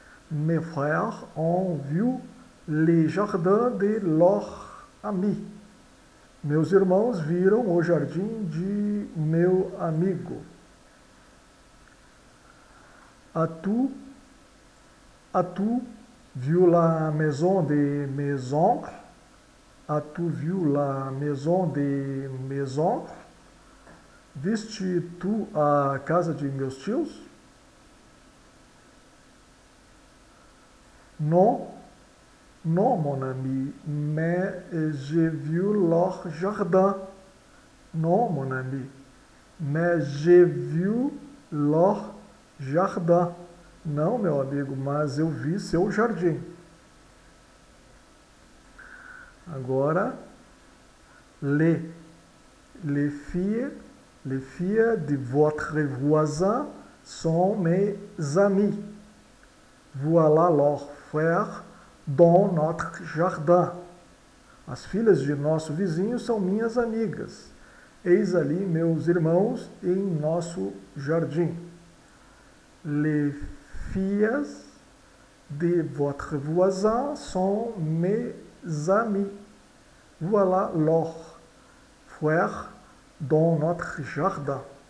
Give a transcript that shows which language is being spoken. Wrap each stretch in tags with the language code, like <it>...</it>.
<fr>Mes frères ont vu les jardins de leur ami.</fr> <pt>Meus irmãos viram o jardim de meu amigo.</pt> <fr>As-tu vu la maison de mes oncles? As-tu vu la maison de mes oncles?</fr> <pt>Viste-tu a casa de meus tios?</pt> <fr>Non, mon ami, mais j'ai vu leur jardin. Non, mon ami, mais j'ai vu leur jardin.</fr> <pt>Não, meu amigo, mas eu vi seu jardim.</pt> <fr>Agora, les filles de votre voisin sont mes amis. Voilà leur dans notre jardin.</fr> <pt>As filhas de nosso vizinho são minhas amigas. Eis ali meus irmãos em nosso jardim.</pt> <fr>Les filles de votre voisin sont mes amis. Voilà leurs frères dans notre jardin.</fr>